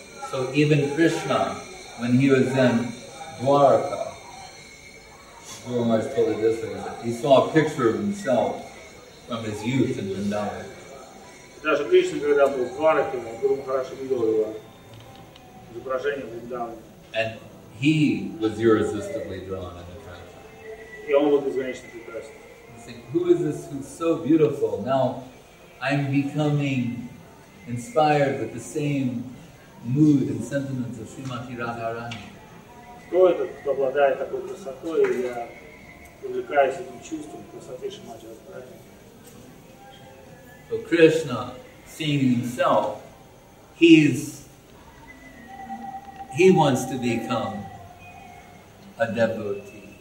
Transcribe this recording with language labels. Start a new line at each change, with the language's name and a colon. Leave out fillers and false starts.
English: So even Krishna, when he was in Dwarka, Guru Maharaj told us this, he saw a picture of himself from his youth in Vrindavan.
Russian: Даже Кришна, когда был в Двараке, Гуру Махарадж видел его изображение в Вриндаване.
English: And he was irresistibly drawn in attraction.
Russian: И он был безгранично прекрасен.
English: Think, who is this who's so beautiful? Now I'm becoming inspired with the same mood and sentiments of Srimati Radharani.
Russian: Кто этот, кто обладает такой красотой, и я увлекаюсь этим чувством красоты Шримати Радхарани.
English: So Krishna, seeing himself, he wants to become a devotee.